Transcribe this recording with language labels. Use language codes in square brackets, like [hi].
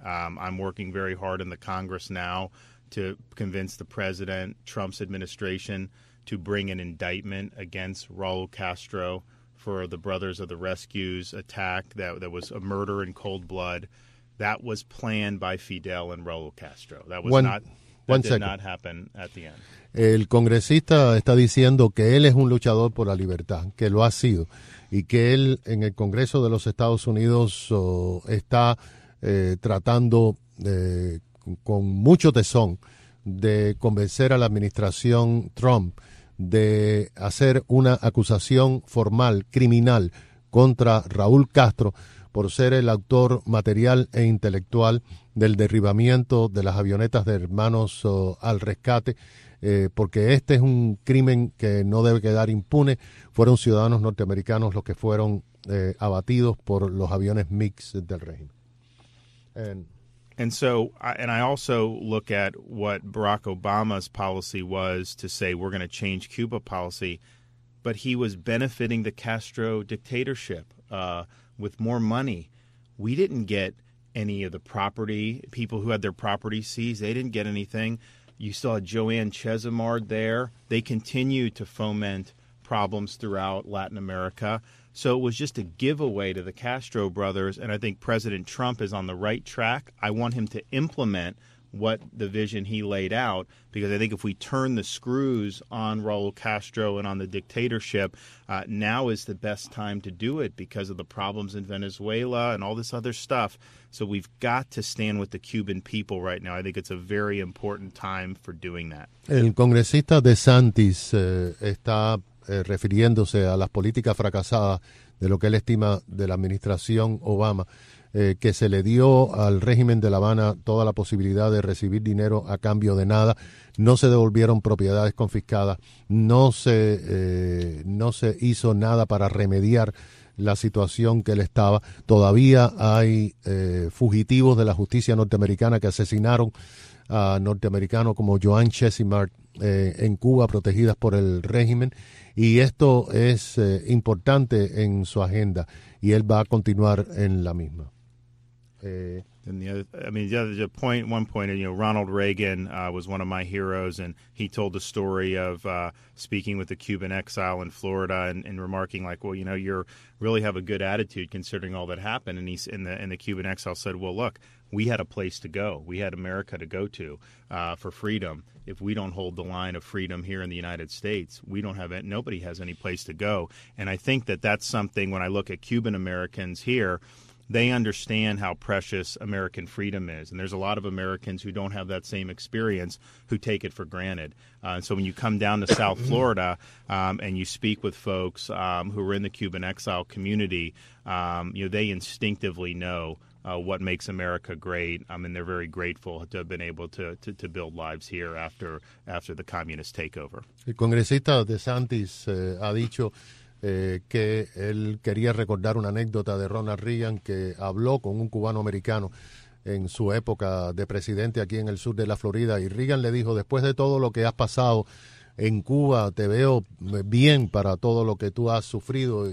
[en] I'm working very hard in the Congress now to convince the president, Trump's administration, to bring an indictment against Raul Castro for the Brothers of the Rescue's attack that was a murder in cold blood. That was planned by Fidel and Raul Castro. That did not happen at the end. [es] El congresista está diciendo que él es un luchador por la libertad, que lo ha sido, y que él en el Congreso de los Estados Unidos está tratando con mucho tesón de convencer a la administración Trump de hacer una acusación formal, criminal, contra Raúl Castro por ser el autor material e intelectual del derribamiento de las avionetas de Hermanos al Rescate, porque este es un crimen que no debe quedar impune. Fueron ciudadanos norteamericanos los que fueron abatidos por los aviones MiG del régimen. [en] And I also look at what Barack Obama's policy was to say we're going to change Cuba policy, but he was benefiting the Castro dictatorship with more money. We didn't get any of the property. People who had their property seized, they didn't get anything. You still had Joanne Chesimard there. They continued to foment problems throughout Latin America. So it was just a giveaway to the Castro brothers, and I think President Trump is on the right track. I want him to implement what the vision he laid out, because I think if we turn the screws on Raul Castro and on the dictatorship, now is the best time to do it because of the problems in Venezuela and all this other stuff. So we've got to stand with the Cuban people right now. I think it's a very important time for doing that. [es] El congresista DeSantis está refiriéndose a las políticas fracasadas de lo que él estima de la administración Obama, que se le dio al régimen de La Habana toda la posibilidad de recibir dinero a cambio de nada, no se devolvieron propiedades confiscadas, no se hizo nada para remediar la situación que él estaba. Todavía hay fugitivos de la justicia norteamericana que asesinaron a norteamericanos como Joanne Chesimard en Cuba, protegidas por el régimen. Y esto es importante en su agenda, y él va a continuar en la misma. [en] The other point, Ronald Reagan was one of my heroes, and he told the story of speaking with a Cuban exile in Florida and remarking like, well, you know, you really have a good attitude considering all that happened. And the Cuban exile said, well, look, we had a place to go. We had America to go to for freedom. If we don't hold the line of freedom here in the United States, we don't have it. Nobody has any place to go. And I think that that's something when I look at Cuban Americans here, they understand how precious American freedom is. And there's a lot of Americans who don't have that same experience who take it for granted. So when you come down to South Florida and you speak with folks who are in the Cuban exile community, you know, they instinctively know what makes America great. I mean, they're very grateful to have been able to build lives here after the communist takeover. [es] El congresista DeSantis ha dicho que él quería recordar una anécdota de Ronald Reagan, que habló con un cubano americano en su época de presidente aquí en el sur de la Florida, y Reagan le dijo: después de todo lo que has pasado en Cuba, te veo bien para todo lo que tú has sufrido.